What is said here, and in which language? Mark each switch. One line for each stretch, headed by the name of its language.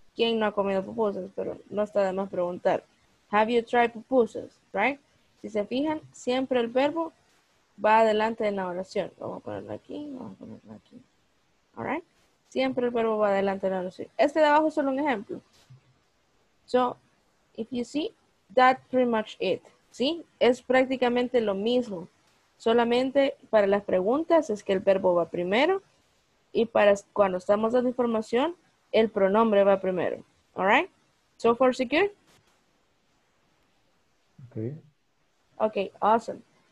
Spanish: ¿Quién no ha comido pupusas? Pero no está de más preguntar.
English: Have you tried pupusas, right?
Spanish: Si se fijan, siempre el verbo va adelante en la oración. Vamos a ponerlo aquí, vamos a ponerlo aquí.
English: All right?
Spanish: Siempre el verbo va adelante en la oración. Este de abajo es solo un ejemplo.
English: So, if you see, that's pretty much it.
Spanish: ¿Sí? Es prácticamente lo mismo. Solamente para las preguntas es que el verbo va primero. Y para cuando estamos dando información, el pronombre va primero.
English: All right? So far, secure? Okay. Okay, awesome.